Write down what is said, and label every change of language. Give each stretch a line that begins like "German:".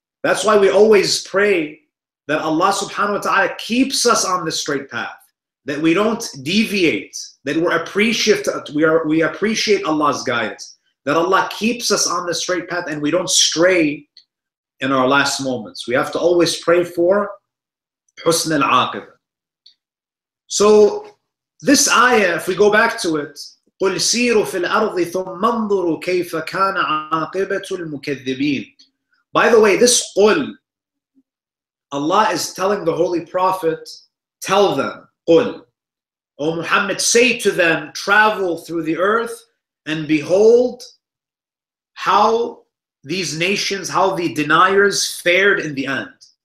English: That's why we always pray that Allah subhanahu wa ta'ala keeps us on the straight path, that we don't deviate, that we appreciate Allah's guidance, that Allah keeps us on the straight path and we don't stray in our last moments. We have to always pray for husn al-aqibah. So this ayah, if we go back to it,
Arabic: قُلْ سِيرُوا فِي الْأَرْضِ ثُمَّ انظُرُوا كَيْفَ كَانَ عَاقِبَةُ الْمُكَذِّبِينَ.
English: By the way, this قُلْ, Allah is telling the Holy Prophet, tell them, قُلْ, O Muhammad, say to them, travel through the earth and behold how these nations, how the deniers fared in the end.